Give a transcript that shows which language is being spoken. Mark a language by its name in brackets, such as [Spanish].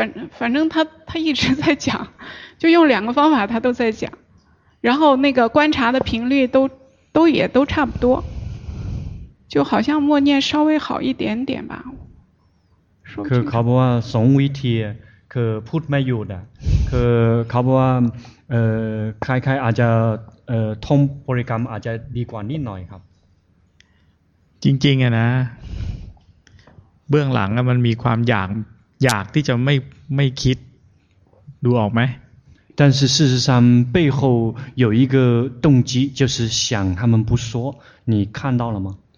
[Chinese] 反正他一直在讲就用两个方法他都在讲然后那个观察的频率都差不多就好像默念稍微好一点点吧说 [Thai] คือเขาบอกว่าสองวิธีคือพูดไม่หยุดอ่ะคือเขาบอกว่าคล้ายๆอาจจะท่องบริกรรมอาจจะดีกว่านิดหน่อยครับ จริงๆอ่ะนะเบื้องหลังมันมีความอยากที่จะไม่คิดดูออกไหม [Chinese] 但是事实上背后有一个动机就是想他们不说你看到了吗